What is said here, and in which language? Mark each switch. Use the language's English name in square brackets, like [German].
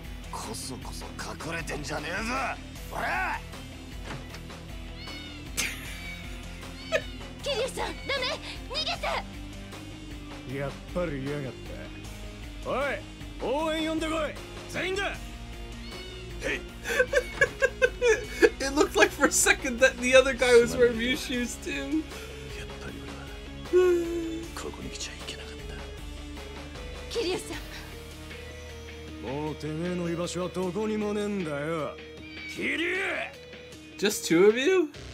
[Japanese] こそこそ隠れてんじゃねえぞ、おら。キリュウさん、ダメ、逃げて。やっぱり嫌がった。おい、応援呼んでこい、全員だ。 [English] Hey. It looked like for a second that the other guy was wearing Mew shoes too. [Japanese] やっぱり俺はここに来ちゃいけなかった。キリュウさん、もうてめえの居場所はどこにもねえんだよ、キリュウ。 [English] Just two of you?